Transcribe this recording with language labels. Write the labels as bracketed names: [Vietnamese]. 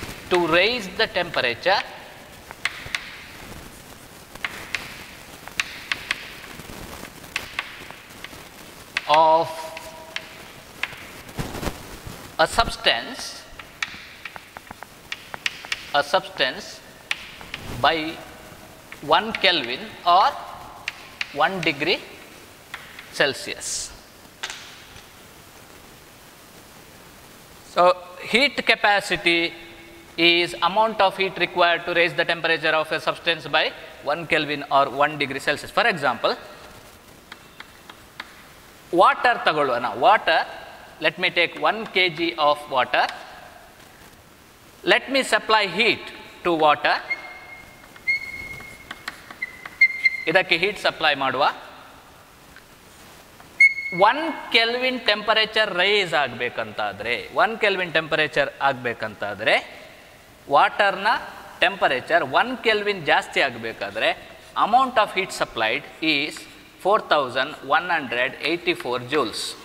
[English] To raise the temperature of a substance a substance by 1 kelvin or 1 degree celsius. So heat capacity is amount of heat required to raise the temperature of a substance by 1 kelvin or 1 degree celsius. For example, water tagolvana, water, let me take 1 kg of water. Let me supply heat to water. [Kannada] ಇದಕ್ಕೆ heat supply ಮಾಡುವ, 1 kelvin temperature rice ಆಗಬೇಕಂತಾದರೆ, 1 kelvin temperature ಆಗಬೇಕಂತಾದರೆ, ವಾಟರ್ನ temperature 1 kelvin ಜಾಸ್ತಿ ಆಗಬೇಕಾದ್ರೆ, [English] Amount of heat supplied is 4,184 joules.